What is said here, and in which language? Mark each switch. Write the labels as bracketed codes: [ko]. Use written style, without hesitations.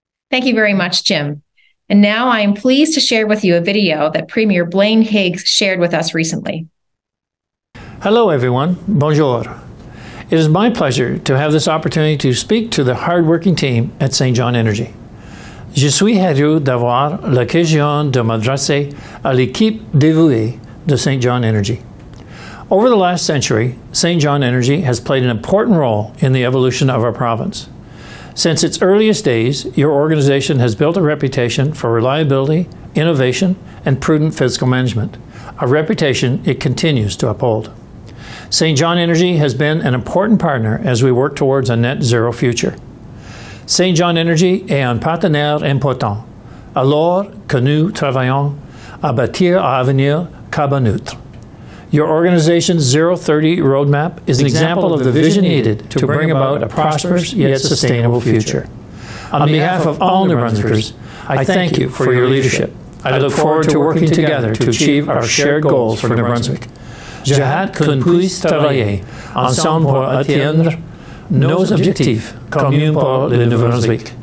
[en] Thank you very much, Jim. And now I am pleased to share with you a video that Premier Blaine Higgs shared with us recently. Hello, everyone. Bonjour. It is my pleasure to have this opportunity to speak to the hardworking team at St. John Energy. [fr] Je suis heureux d'avoir l'occasion de m'adresser à l'équipe dévouée de St. [en] John Energy. Over the last century, St. John Energy has played an important role in the evolution of our province. Since its earliest days, your organization has built a reputation for reliability, innovation, and prudent fiscal management, a reputation it continues to uphold. St. John Energy has been an important partner as we work towards a net zero future. St. [fr] John Energy est un partenaire important, alors que nous travaillons à bâtir un avenir carbone neutre. [en] Your organization's 030 roadmap is an example of the vision needed to bring about a prosperous yet sustainable future. On behalf of all New Brunswickers, I thank you for your leadership. I look forward to working together to achieve our shared goals for New Brunswick. [fr] Je hâte qu'on puisse travailler ensemble pour atteindre nos objectifs communs pour le New Brunswick.